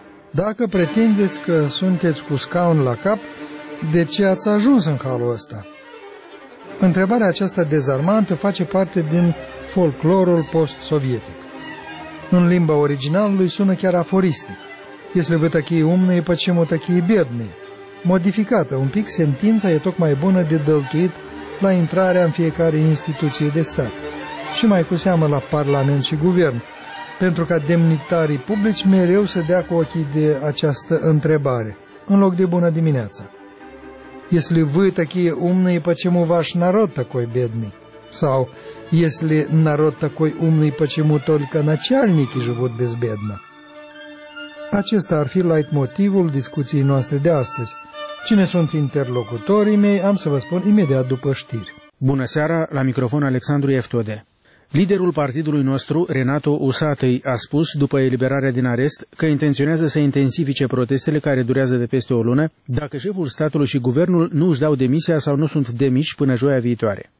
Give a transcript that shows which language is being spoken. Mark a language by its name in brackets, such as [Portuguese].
[Romanian] Dacă pretindeți că sunteți cu scaun la cap, de ce ați ajuns în halul ăsta? Întrebarea aceasta dezarmantă face parte din folclorul post-sovietic. În limba originalului sună chiar aforistic. [Russian] Если вы такие умные, почему такие бедные? [Romanian] Modificată un pic, sentința e tocmai bună de dăltuit la intrarea în fiecare instituție de stat. Și mai cu seamă la parlament și guvern, pentru ca demnitarii publici mereu să dea cu ochii de această întrebare, în loc de bună dimineața. [Russian] Если вы такие умные, почему ваш народ такой бедный? [Romanian] Sau, [Russian] если народ такой умный, почему только начальники живут безбедно? [Romanian] Acesta ar fi leitmotivul discuției noastre de astăzi. Cine sunt interlocutorii mei, am să vă spun imediat după știri. Bună seara, la microfon Alexandru Eftode. Liderul partidului nostru, Renato Usatăi, a spus, după eliberarea din arest, că intenționează să intensifice protestele care durează de peste o lună, dacă șeful statului și guvernul nu își dau demisia sau nu sunt demiși până joia viitoare.